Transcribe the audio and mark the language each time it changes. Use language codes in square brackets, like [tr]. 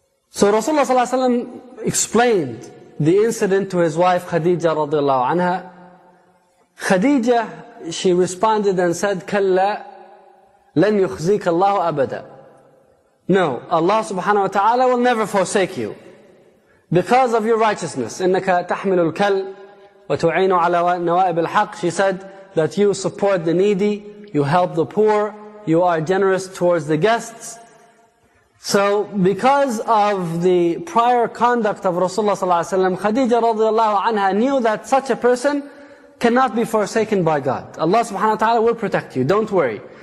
[en] So Rasulullah sallallahu alayhi wa sallam explained the incident to his wife Khadija radiallahu anha. Khadija, she responded and said, Kalla, [ar] لن يخزيك الله أبدا. [en] No, Allah subhanahu wa ta'ala will never forsake you. Because of your righteousness, [ar] إِنَّكَ تَحْمِلُ الْكَلِّ وَتُعِينُ عَلَى نَوَائِبِ الْحَقِّ. [en] She said that you support the needy, you help the poor, you are generous towards the guests. So because of the prior conduct of Rasulullah sallallahu alayhi wa sallam, Khadija radiallahu anha knew that such a person cannot be forsaken by God. Allah subhanahu wa ta'ala will protect you, don't worry.